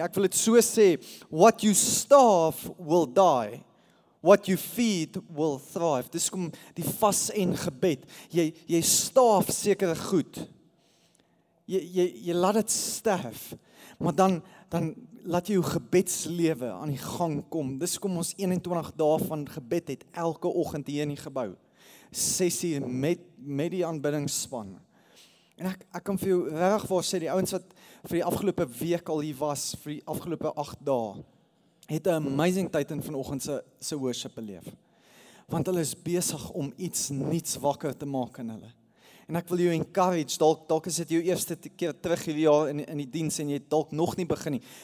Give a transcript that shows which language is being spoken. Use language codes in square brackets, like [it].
[af] Ek wil dit so sê, [en] what you starve will die, what you feed will thrive. [af] Dis kom die vas en gebed. Jy starve sekere goed. Jy laat dit sterf. Maar dan laat jy jou gebedslewe aan die gang kom. Dis kom ons 21 dae van gebed het elke oggend hier in die gebou. 6:00 met die aanbiddingsspan. En ek kan vir jou reg voor sê, die ouens wat vir die afgelope week al hier was, vir die afgelope 8 dae, het 'n amazing tyd in vanoggend se worship beleef. Want hulle is besig om iets nuuts wakker te maak in hulle. En ek wil jou encourage, dalk is dit jou eerste keer terug hierdie jaar in die diens en jy het dalk nog nie begin nie.